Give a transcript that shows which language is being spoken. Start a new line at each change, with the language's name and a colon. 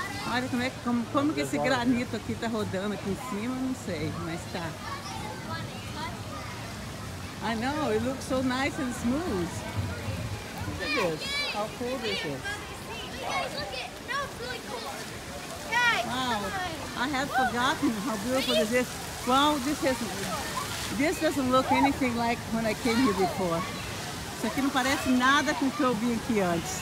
Portuguese: Olha como que esse granito aqui tá rodando aqui em cima, não sei, mas tá.
English: I know, it looks so nice and smooth. Look at this. How cool is this? Guys, look at it. Now it's really cool. Guys, wow. I had forgotten how beautiful this is. Wow, this doesn't look anything like when I came here before.
Portuguese: Isso aqui não parece nada com o que eu vi aqui antes.